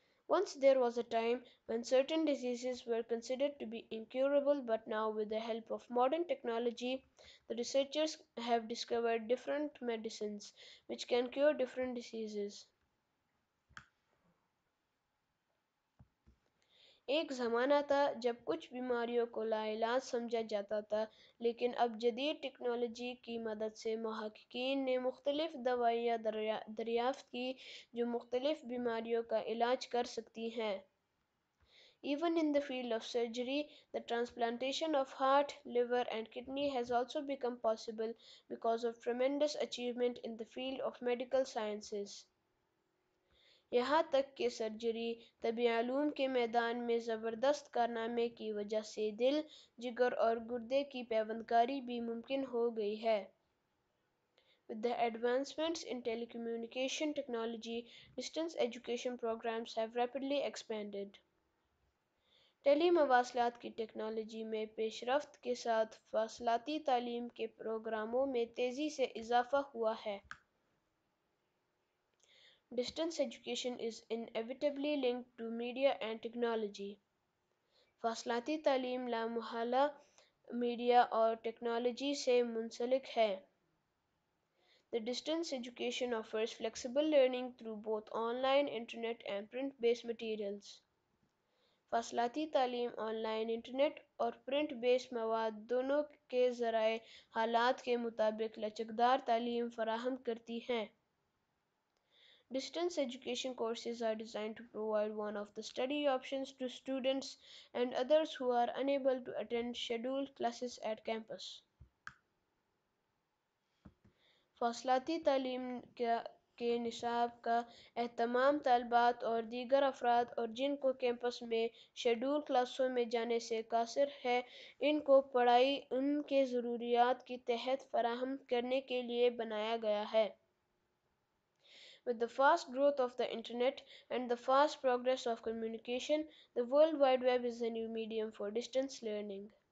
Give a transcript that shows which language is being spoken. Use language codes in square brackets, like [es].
[en] Once there was a time when certain diseases were considered to be incurable, but now with the help of modern technology, the researchers have discovered different medicines which can cure different diseases. [ur] ایک زمانہ تھا جب کچھ بیماریوں کو لا علاج سمجھا جاتا تھا، لیکن اب جدید ٹیکنالوجی کی مدد سے محققین نے مختلف دوائیاں دریافت کی جو مختلف بیماریوں کا علاج کر سکتی ہیں. [en] Even in the field of surgery, the transplantation of heart, liver and kidney has also become possible because of tremendous achievement in the field of medical sciences. [ur] یہاں تک کہ سرجری، طبی علوم کے میدان میں زبردست کارنامے کی وجہ سے دل، جگر اور گردے کی پیوندکاری بھی ممکن ہو گئی ہے. [en] With the advancements in telecommunication technology, distance education programs have rapidly expanded. [ur] ٹیلی مواصلات کی ٹیکنالوجی میں پیش رفت کے ساتھ فاصلاتی تعلیم کے پروگراموں میں تیزی سے اضافہ ہوا ہے. [en] Distance education is inevitably linked to media and technology. [ur] فاصلاتی تعلیم لا محالہ میڈیا اور ٹیکنالوجی سے منسلک ہے. [en] The distance education offers flexible learning through both online, internet and print-based materials. [ur] فاصلاتی تعلیم آن لائن، انٹرنیٹ اور پرنٹ بیس مواد دونوں کے ذرائع حالات کے مطابق لچکدار تعلیم فراہم کرتی ہیں. [en] Distance education courses are designed to provide one of the study options to students and others who are unable to attend scheduled classes at campus. [ur] فاصلاتی تعلیم کے نصاب کا اہتمام طالبات اور دیگر افراد اور جن کو کیمپس میں شیڈول کلاسوں میں جانے سے قاصر ہے، ان کو پڑھائی ان کے ضروریات کی تحت فراہم کرنے کے لیے بنایا گیا ہے. [en] With the fast growth of the internet and the fast progress of communication, the World Wide Web is a new medium for distance learning.